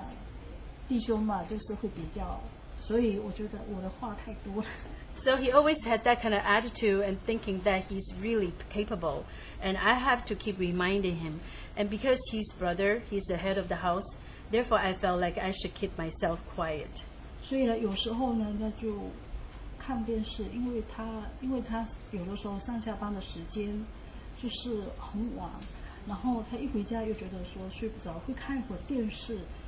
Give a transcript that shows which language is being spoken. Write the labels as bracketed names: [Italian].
[Chinese] 所以呢,他就觉得是他很能干,他有这种心态,就是说他很能干,他都是他,好像,所以我就常常要去纠正他,但是,就是怎么讲,他弟兄嘛,就是会比较, [English] So he always had that kind of attitude and thinking that he's really capable. And I have to keep reminding him. And because he's brother, he's the head of the house, therefore I felt like I should keep myself quiet. [Chinese] 所以呢,有时候呢,那就看电视,因为他有的时候上下班的时间就是很晚,然后他一回家又觉得说睡不着,会看一会儿电视。